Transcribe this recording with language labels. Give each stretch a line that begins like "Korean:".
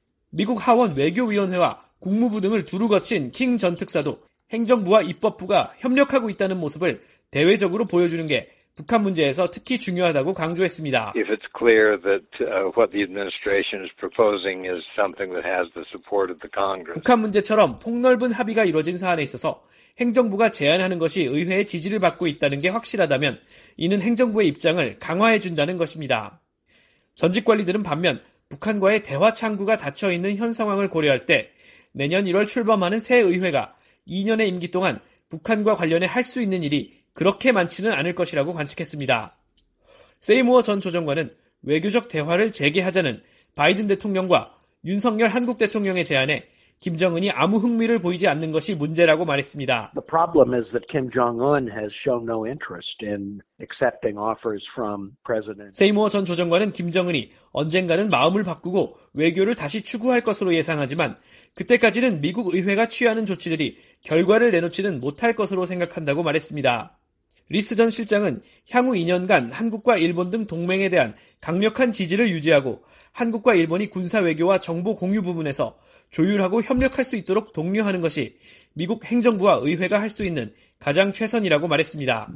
Korean: 미국 하원 외교위원회와 국무부 등을 두루 거친 킹 전 특사도 행정부와 입법부가 협력하고 있다는 모습을 대외적으로 보여주는 게 북한 문제에서 특히 중요하다고 강조했습니다.
English: If it's clear that what the administration is proposing is something that has the support of the Congress.
Korean: 북한 문제처럼 폭넓은 합의가 이루어진 사안에 있어서 행정부가 제안하는 것이 의회의 지지를 받고 있다는 게 확실하다면 이는 행정부의 입장을 강화해 준다는 것입니다. 전직 관리들은 반면 북한과의 대화 창구가 닫혀 있는 현 상황을 고려할 때 내년 1월 출범하는 새 의회가 2년의 임기 동안 북한과 관련해 할 수 있는 일이 그렇게 많지는 않을 것이라고 관측했습니다. 세이모어 전 조정관은 외교적 대화를 재개하자는 바이든 대통령과 윤석열 한국 대통령의 제안에 김정은이 아무 흥미를 보이지 않는 것이 문제라고 말했습니다.
English: The problem is that Kim Jong-un has shown no interest in accepting offers from President.
Korean: 세이모어 전 조정관은 김정은이 언젠가는 마음을 바꾸고 외교를 다시 추구할 것으로 예상하지만 그때까지는 미국 의회가 취하는 조치들이 결과를 내놓지는 못할 것으로 생각한다고 말했습니다. 리스 전 실장은 향후 2년간 한국과 일본 등 동맹에 대한 강력한 지지를 유지하고 한국과 일본이 군사 외교와 정보 공유 부분에서 조율하고 협력할 수 있도록 독려하는 것이 미국 행정부와 의회가 할 수 있는 가장 최선이라고 말했습니다.